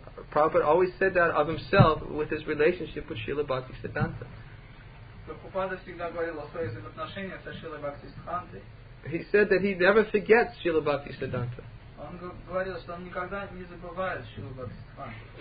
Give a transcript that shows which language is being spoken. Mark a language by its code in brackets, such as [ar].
[en] Prabhupada always said that of himself with his relationship with Srila Bhaktisiddhanta. [ru] Prabhupada всегда говорил о своих взаимоотношениях со Шрилой Бхактисиддхантой. [en] He said that he never forgets Srila Bhaktisiddhanta. [ru] Он говорил, что он никогда не забывает Шрилу Бхактисиддханту.